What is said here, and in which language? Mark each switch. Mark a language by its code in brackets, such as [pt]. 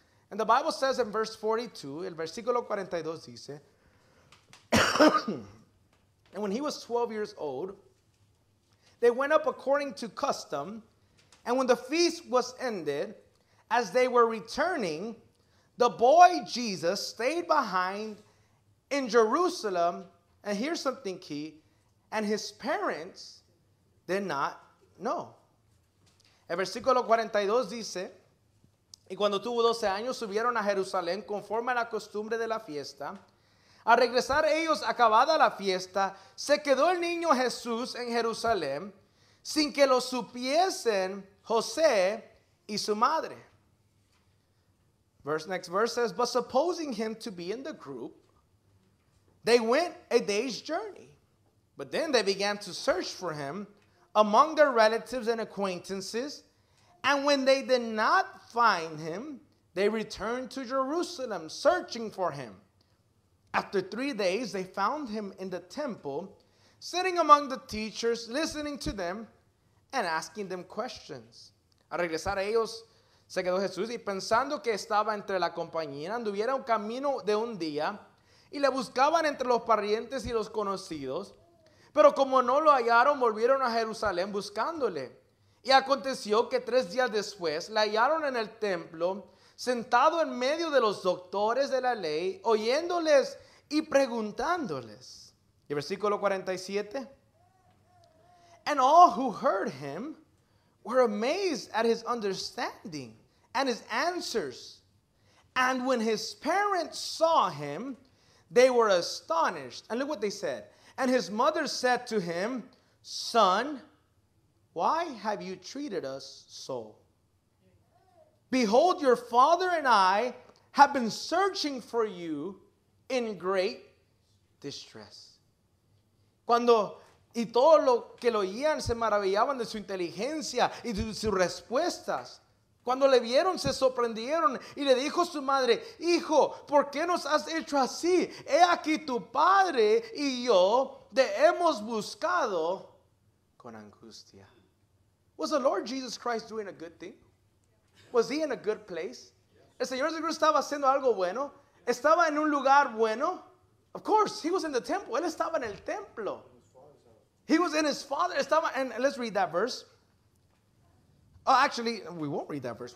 [en] And the Bible says in verse 42, [es] el versículo 42 dice, [en] and when he was 12 years old, they went up according to custom, and when the feast was ended, as they were returning, the boy Jesus stayed behind in Jerusalem, and here's something key, and his parents did not. No. [es] El versículo 42 dice, y cuando tuvo 12 años subieron a Jerusalén conforme a la costumbre de la fiesta. Al regresar ellos acabada la fiesta, se quedó el niño Jesús en Jerusalén sin que lo supiesen José y su madre. [en] Next verse says, but supposing him to be in the group, they went a day's journey. But then they began to search for him among their relatives and acquaintances, and when they did not find him, they returned to Jerusalem searching for him. After 3 days, they found him in the temple, sitting among the teachers, listening to them and asking them questions. [es] Al regresar a ellos, se quedó Jesús, y pensando que estaba entre la compañía, anduvieron camino de un día, y le buscaban entre los parientes y los conocidos. Pero como no lo hallaron, volvieron a Jerusalén buscándole. Y aconteció que 3 días después le hallaron en el templo, sentado en medio de los doctores de la ley, oyéndoles y preguntándoles. Y versículo 47. [en] And all who heard him were amazed at his understanding and his answers. And when his parents saw him, they were astonished. And look what they said. And his mother said to him, "Son, why have you treated us so? Behold, your father and I have been searching for you in great distress." [es] Cuando y todo lo que lo oían se maravillaban de su inteligencia y de sus respuestas. Cuando le vieron, se sorprendieron y le dijo su madre, "Hijo, ¿por qué nos has hecho así? He aquí tu padre y yo te hemos buscado con angustia." [en] Was the Lord Jesus Christ doing a good thing? Was he in a good place? [es] El Señor Jesucristo estaba haciendo algo bueno. Estaba en un lugar bueno. [en] Of course, he was in the temple. [es] Él estaba en el templo. [en] He was in his father. [es] Estaba en, [en] let's read that verse. Oh, actually, we won't read that verse.